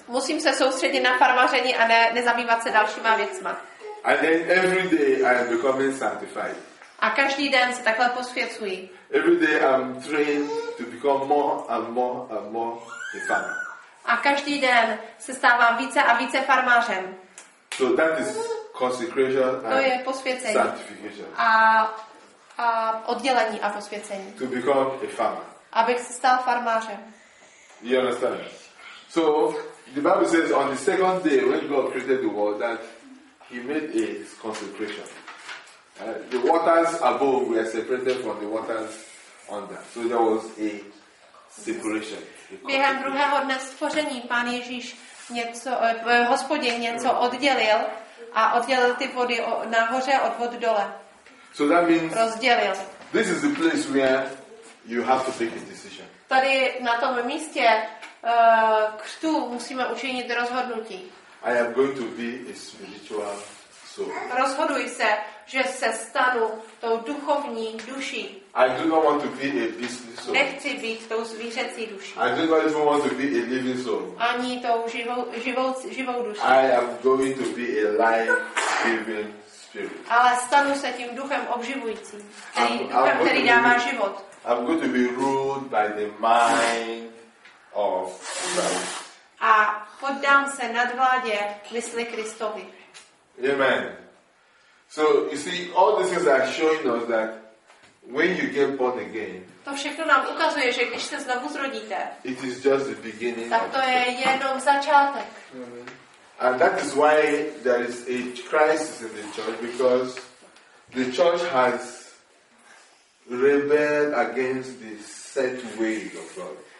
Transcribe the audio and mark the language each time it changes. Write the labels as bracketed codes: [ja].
[cs] Musím se soustředit na farmáření a nezabývat se dalšíma věcma. [en] And then every day I am becoming sanctified. [cs] A každý den se takhle posvěcuji. [en] Every day I'm trained to become more and more and more a farmer. [cs] A každý den se stávám více a více farmářem. [en] So that is consecration and [cs] to je posvěcení. [en] Sanctification. [cs] A oddělení a posvěcení. [en] To become a farmer. [cs] Abych se stal farmářem. [en] You understand? So the Bible says on the second day when God created the world that he made a consecration. The waters above were separated from the waters under. So there was a separation. [cs] Během druhého dne stvoření Pán Ježíš Hospodin něco oddělil a oddělil ty vody nahoře od vod dole. [en] So that means [cs] rozdělil. [en] This is the place where you have to make a decision. [cs] Tady na tom místě křtu musíme učinit rozhodnutí. [en] I am going to be a spiritual soul. [cs] Rozhoduji se, že se stanu tou duchovní duší. [en] I do not want to be a business soul. [cs] Nechci být tou zvířecí duší. [en] I do not even want to be a living soul. [cs] Ani tou živou duší. [en] I am going to be a life-giving spirit. [cs] Ale stanu se tím duchem obživujícím, který dává život. [en] I'm going to be ruled by the mind of Christ. [cs] a poddám se nadvládě mysli Kristovi. [en] Amen. So you see, all these things are showing us that when you get born again, [cs] to všechno nám ukazuje, že když se znovu zrodíte, [en] it is just the beginning. [cs] Tak to je jenom začátek. [en] And that is why there is a crisis in the church, because the church has rebelled against the set way of God.